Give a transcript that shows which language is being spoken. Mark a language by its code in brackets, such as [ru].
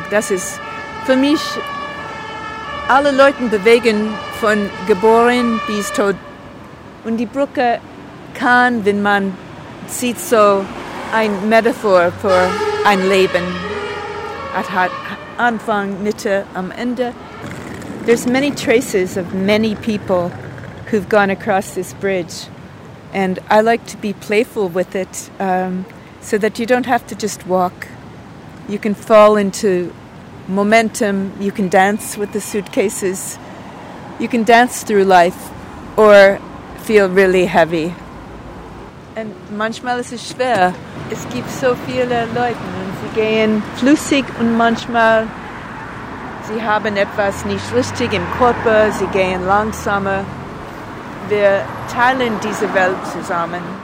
[de] Das ist für mich, alle Leute bewegen von geboren bis tot. Und die Brücke kann, wenn man sieht, so ein Metaphor für ein Leben. Es hat Anfang, Mitte, am Ende. [en] There's many traces of many people who've gone across this bridge. And I like to be playful with it, so that you don't have to just walk. You can fall into momentum, you can dance with the suitcases, you can dance through life or feel really heavy. And [de] manchmal ist es schwer. Es gibt so viele Leute und sie gehen flüssig und manchmal sie haben etwas nicht richtig im Körper, sie gehen langsamer. Wir teilen diese Welt zusammen.